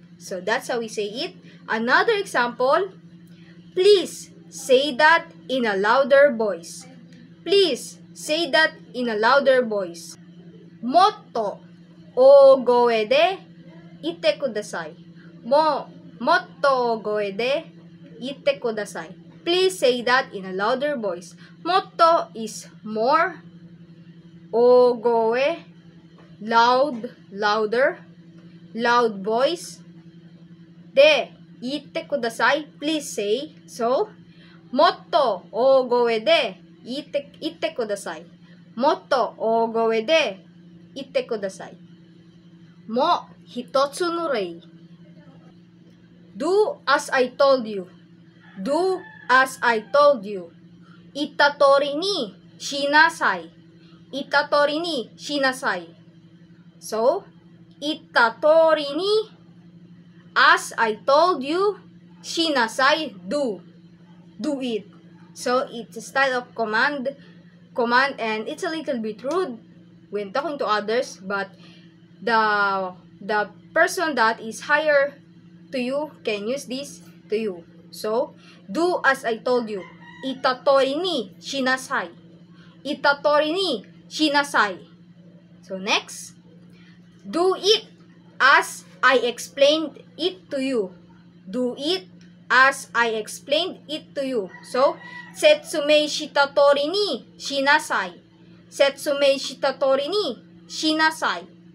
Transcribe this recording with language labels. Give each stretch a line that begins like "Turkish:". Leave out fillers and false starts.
English: So that's how we say it. Another example. Please say that in a louder voice. Please say that in a louder voice.
Japanese: もっと大声で言ってください。もっと大声で言ってください。
English: Please say that in a louder voice. もっと is more.
Japanese: 大声、
English: loud、louder、loud voice
Japanese: で言ってください。
English: Please say so。
Japanese: もっと大声で言ってください。もっと大声で言ってください。もう一つの例。
English: Do as I told you. Do as I told you.
Japanese: 言った通りにしなさい。言った通りにしなさい。
English: So,
Japanese: 言った通りに
English: as I told you,
Japanese: しなさい。
English: Do. Do it. So, it's a style of command, and it's a little bit rude when talking to others, but the person that is higher to you can use this to you. So, do as I told you.
Japanese: 言った通りにしなさい。言った通りにしなさい。
English: So, next. Do it as I explained it to you. Do it as I explained it to you.
Japanese: So, 説明した通りにしなさい。説明した通りにしなさい。